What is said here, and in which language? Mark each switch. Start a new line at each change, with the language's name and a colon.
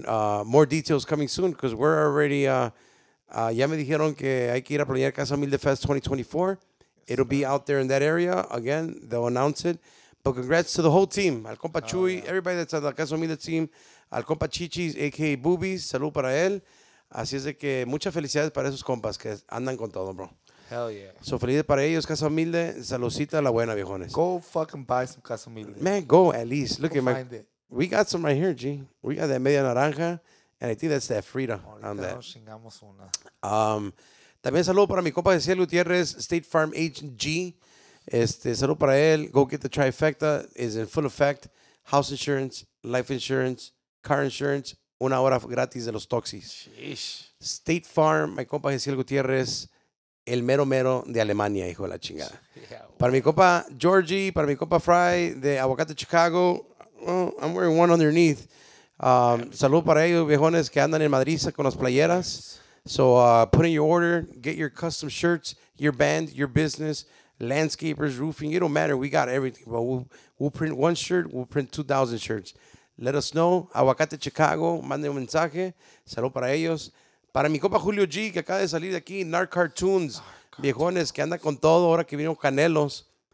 English: And more details coming soon because we're already...
Spanish: ya me dijeron que hay que ir a planear Casa Humilde Fest 2024.
English: Yes, It'll be out there in that area. Again, they'll announce it. But congrats to the whole team, al compa Chuy, everybody that's on the Casa Humilde team, al compa Chichis, a.k.a.
Spanish: Boobies, salud para él. Así es de que muchas felicidades para esos compas que andan con todo, bro.
English: Hell yeah.
Spanish: So felices para ellos, Casa Humilde, saludcita a la buena, viejones.
English: Go fucking buy some Casa Humilde. Man, go at least. Look at my... We got some right here, G. We got that media naranja, and I think that's that Frida on that.
Spanish: Nos chingamos una. También saludo para mi compa Cecil Gutierrez, State Farm Agent G. Este, salud para él.
English: Go get the trifecta. Is in full effect. House insurance, life insurance, car insurance.
Spanish: Una hora gratis de los toxis.
English: Sheesh.
Spanish: State Farm, my compa Jesiel Gutierrez, el mero mero de Alemania, hijo de la chingada. Yeah, wow. Para mi compa Georgie, para mi compa Fry de Aguacate, Chicago.
English: Well, I'm wearing one underneath.
Spanish: Salud para ellos, viejones que andan en Madrid con las playeras.
English: So put in your order, get your custom shirts, your band, your business. Landscapers, roofing, it don't matter. We got everything. But we'll print one shirt, we'll print 2,000 shirts. Let us know.
Spanish: Aguacate Chicago, mande un mensaje. Salud para ellos. Para mi compa Julio G, que acaba de salir de aquí, Narc Cartoons. Viejones, que anda con todo ahora que vino Canelos.